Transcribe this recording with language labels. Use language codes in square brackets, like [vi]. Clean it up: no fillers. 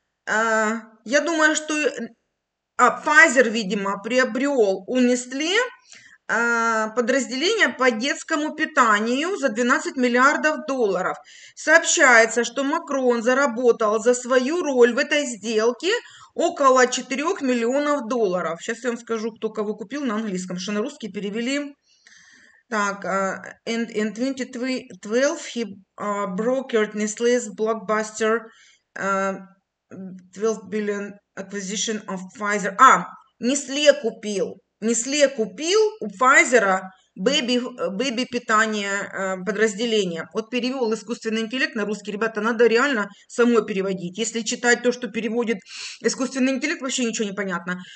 [ru] Я думаю, что... А Pfizer, видимо, приобрел у Nestlé подразделение по детскому питанию за 12 миллиардов долларов. Сообщается, что Макрон заработал за свою роль в этой сделке около 4 миллионов долларов. Сейчас я вам скажу, кто кого купил на английском, что на русский перевели. [en] Так, in 2012 he brokered Nestlé's blockbuster 12 billion acquisition of Pfizer. [ru] А, Nestlé купил у Pfizer baby питание подразделения. Вот перевел искусственный интеллект на русский. Ребята, надо реально самой переводить. Если читать то, что переводит искусственный интеллект, вообще ничего не понятно.